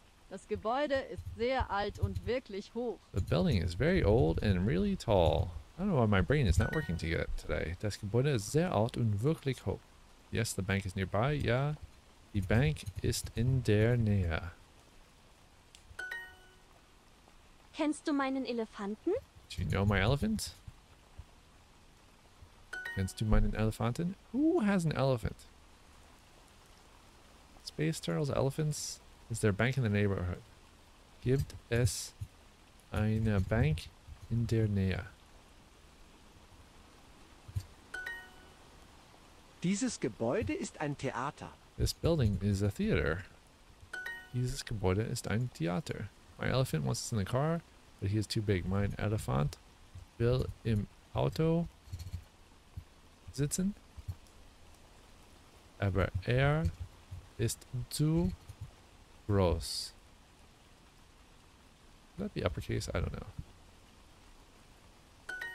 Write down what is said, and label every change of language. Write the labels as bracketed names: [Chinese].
[German] Das Gebäude ist sehr alt und wirklich hoch. [English] The building is very old and really tall. I don't know why my brain is not working together today. [German] Das Gebäude ist sehr alt und wirklich hoch. [English] Yes, the bank is nearby. [German] Ja, die Bank ist in der Nähe. Kennst du meinen Elefanten? [English] Do you know my elephant? [German] Kennst du meinen Elefanten? [English] Who has an elephant? Space turtles, elephants. Is there a bank in the neighborhood? [German] Gibt es eine Bank in der Nähe? Dieses Gebäude ist ein Theater. [English] This building is a theater. [German] Dieses Gebäude ist ein Theater. [English] My elephant wants to sit in the car, but he is too big. [German] Mein Elefant will im Auto sitzen, aber ist zu gross. [English] Would that be uppercase? I don't know.